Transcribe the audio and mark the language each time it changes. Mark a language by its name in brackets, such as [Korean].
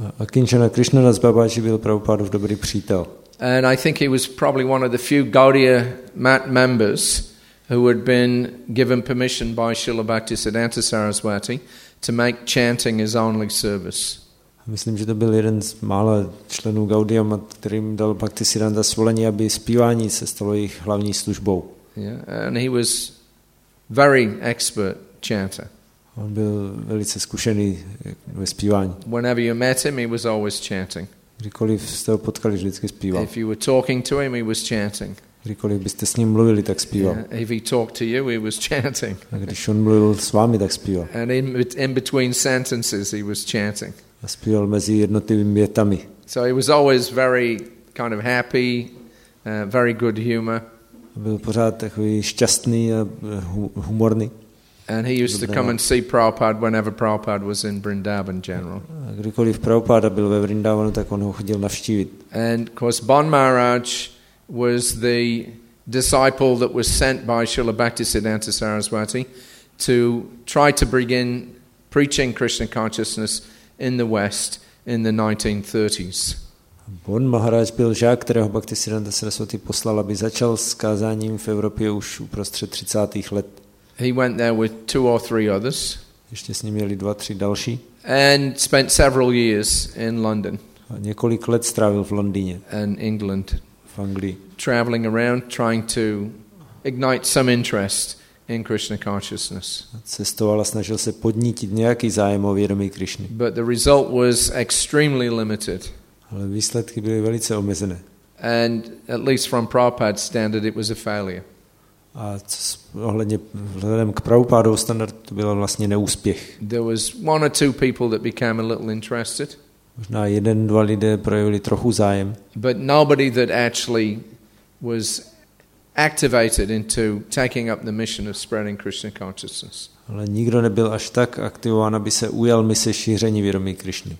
[Czech] Akinchana Krishnadas Babaji byl Prabhupádův dobrý přítel. [English] And I think he was probably one of the few Gaudiya Mat members who had been given permission by Srila Bhaktisiddhanta Saraswati to make chanting his only service. [Czech] Myslím, že to byl jeden z mála členů Gaudiya Mat, kterým dal Bhaktisiddhanta svolení, aby zpívání se stalo jejich hlavní službou. [English] Yeah, and he was very expert chanter. [Czech] On byl velice zkušený ve zpívání. [English] Whenever you met him, he was always chanting. [Czech] Kdykoliv jste ho potkali, vždycky zpíval. [English] If you were talking to him, he was chanting. [Czech] Kdykoliv byste s ním mluvili, tak zpíval. [English] Yeah, if he talked to you, he was chanting. [Czech] A když on mluvil s vámi, tak zpíval. [English] And in between sentences, he was chanting. [Czech] A zpíval mezi jednotlivými větami. [English] So he was always very kind of happy, very good humor. [Czech] Byl pořád takový šťastný a humorný. [English] And he used to come and see Prabhupada whenever Prabhupada was in Vrindavan general. [Czech] A kdykoliv Prabhupada byl ve Vrindavanu, tak on ho chodil navštívit. [English] And of course, Bon Maharaj was the disciple that was sent by Srila Bhaktisiddhanta Saraswati to try to begin preaching Krishna consciousness in the West in the 1930s. [Czech] Bon Maharaj byl žák, kterého Bhaktisiddhanta Saraswati poslal, aby začal s kázáním v Evropě už uprostřed 30. let. [English] He went there with two or three others. [Czech] Ještě s ním jeli dva, tři další. [English] And spent several years in London. [Czech] A několik let strávil v Londýně. [English] And England. [Czech] V Anglii. [English] Traveling around, trying to ignite some interest in Krishna consciousness. [Czech] Cestoval a snažil se podnítit nějaký zájem o vědomí Krišny. [English] But the result was extremely limited. [Czech] Ale výsledky byly velice omezené. [English] And at least from Prabhupada's standard, it was a failure. [Czech] A vzhledem k Prabhupádovu standardu to byl vlastně neúspěch. [English] There was one or two people that became a little interested. [Czech] Možná jeden, dva lidé projevili trochu zájem. [English] But nobody that actually was activated into taking up the mission of spreading Krishna consciousness. [Czech] Ale nikdo nebyl až tak aktivován, aby se ujal mise šíření vědomí Krišny.